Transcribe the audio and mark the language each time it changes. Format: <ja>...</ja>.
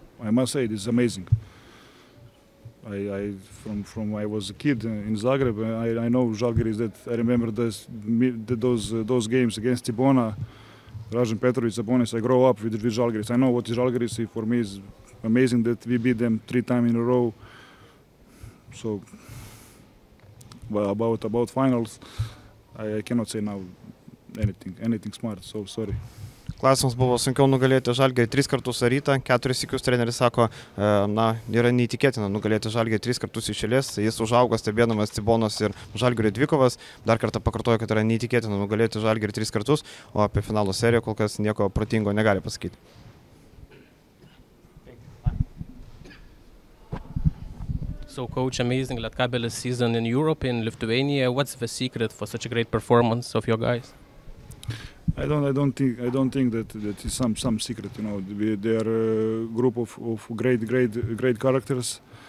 <en>I must say it is amazing. I from I was a kid in Zagreb, I know Žalgiris, that I remember those games against Cibona, Dražen Petrović, Sabonis. I grow up with Žalgiris. I know what is Žalgiris, and for me is amazing that we beat them 3 times in a row. So, well, about finals, I cannot say now anything smart. So sorry.</en> <lt>Klausimas buvo sunkiau nugalėti Žalgirį 3 kartus ar rytą, 4 sykius treneris sako, na, yra neįtikėtina nugalėti Žalgirį 3 kartus iš eilės, jis užaugo stebėdamas Cibonos ir Žalgirio dvikovas, dar kartą pakartojo, kad yra neįtikėtina nugalėti Žalgirį 3 kartus, o apie finalo seriją kol kas nieko protingo negali pasakyti.</lt> <en>So coach, amazing Lietkabelis season in Europe, in Lithuania, what's the secret for such a great performance of your guys? I don't think that is some secret, you know. They are a group of great characters.</en>